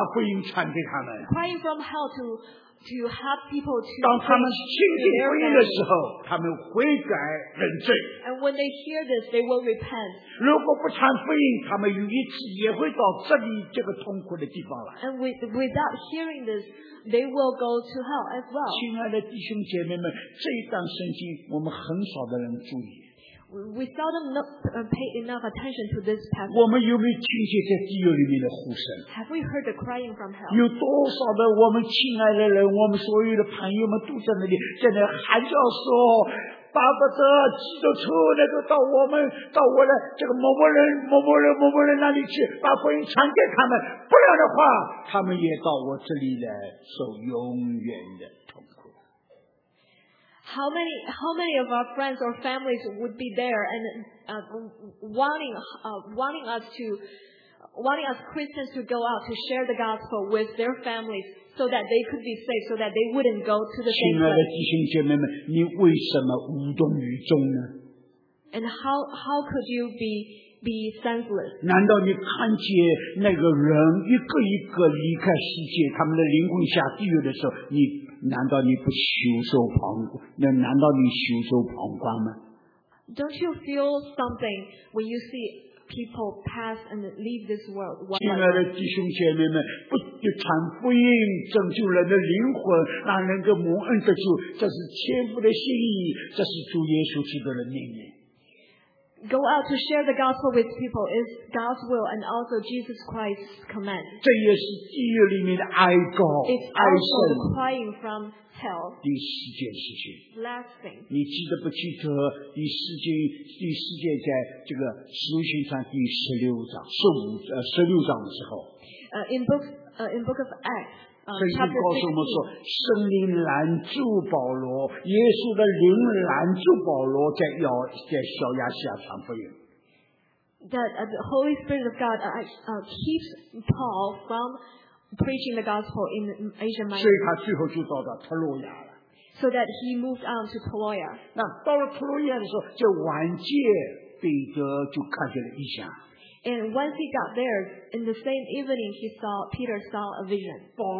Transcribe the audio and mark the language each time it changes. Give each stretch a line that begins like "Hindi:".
English: Crying from hell to have people to preach their name. And when they hear this, they will repent.
Chinese: 如果不传福音，他们有一次也会到这里这个痛苦的地方来。
English: And without hearing this, they will go to hell as well.
Chinese: 亲爱的弟兄姐妹们，这一段圣经我们很少的人注意。
English: We seldom pay enough attention to this passage.
Chinese: 我们有没有听见在地狱里面的呼声？
English: Have we heard the crying from hell?
Chinese: 有多少的我们亲爱的人，我们所有的朋友们都在那里，在那喊叫说，巴不得基督徒那个到我的这个某某人那里去，把福音传给他们，不然样的话，他们也到我这里来受永远的痛苦。
English: How many of our friends or families would be there and wanting us Christians to go out to share the gospel with their families so that they could be saved, so that they wouldn't go to the same place?
Chinese: 亲爱的弟兄姐妹们，你为什么无动于衷呢？
English: And how could you be senseless?
Chinese: 难道你看见那个人一个一个离开世界，他们的灵魂下地狱的时候，你难道你不袖手旁观？那难道你袖手旁观吗？
English: Don't you feel something when you see people pass and leave this world?
Chinese: 亲爱的弟兄姐妹们，不传福音拯救人的灵魂，让人的蒙恩得救，这是天父的心意，这是主耶稣基督的命令。
English: Go out to share the gospel with people is God's will and also Jesus Christ's command.
Chinese: 这也是地狱里面的哀告，哀声。
English: It's also crying from hell.
Chinese: 第四件事情。
English: Last thing.
Chinese: 你记得不记得第四件在这个使徒行传第十六章十六章的时候。
English: In book of Acts.
Chinese: 圣经告诉我们说，圣灵拦住保罗，耶稣的灵拦住保罗在小亚细亚传福音。
English: That the Holy Spirit of God keeps Paul from preaching the gospel in Asia Minor.
Chinese: 所以他最后就到了特洛亚了。
English: So that he moved on to Troia.
Chinese: 那到了特洛亚的时候，就晚节彼得就看见了异象。
English: And once he got there, in the same evening, Peter saw a vision.